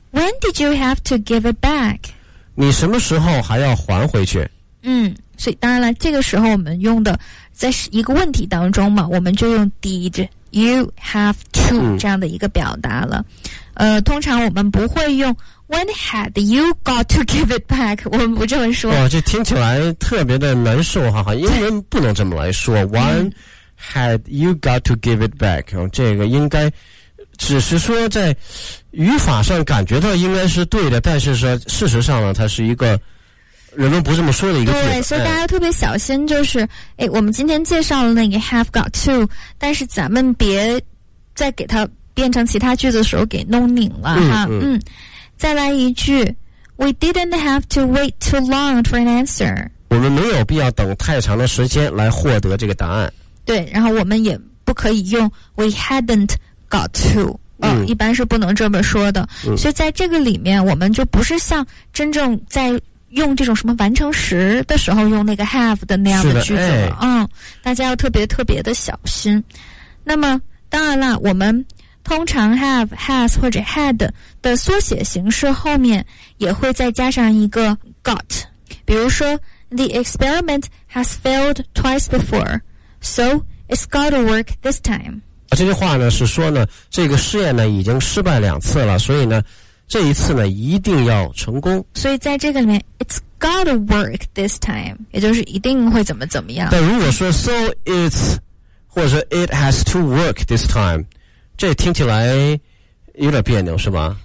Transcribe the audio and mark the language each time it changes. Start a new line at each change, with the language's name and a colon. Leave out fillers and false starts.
English: When did you have to give it back?
Chinese: 你什么时候还要还回去？嗯，所以当然了，这个时候我们用的在一个问题当中嘛，我们就用
English: did you have to
Chinese: 这样的一个表达了。通常我们不会用
English: when had you got to give it back，
Chinese: 我们不这么说。哇，这听起来特别的难受哈哈，英文不能这么来说。
English: When had you got to give it back？
Chinese: 这个应该只是说在语法上感觉到应该是对的，但是说事实上呢，它是一个人们不这么说的一个句子。对，所以大家特别小心，就是哎，我们今天介绍了那个 have got to， 但是咱们别再给它变成其他句子的时候给弄拧了哈。嗯，再来一句
English: ，We didn't have to wait too long for an answer。
Chinese: 我们没有必要等太长的时间来获得这个答案。对，然后我们也不可以用
English: we hadn't got to。
Chinese: 一般是不能这么说的。所以在这个里面我们就不是像真正在用这种什么完成时的时候用那个 have 的那样的句子了。大家要特别特别的小心。那么当然了，我们通常 have、 has 或者 had 的缩写形式后面也会再加上一个 got。比如说
English: The experiment has failed twice before, so it's got to work this time。
Chinese: 这句话呢是说呢，这个试验呢已经失败两次了，所以呢这一次呢一定要成功。所以在这个里面
English: it's gotta work this time，
Chinese: 也就是一定会怎么怎么样。但如果说 so it's 或者说
English: it has to work this time，
Chinese: 这听起来有点别扭是吧？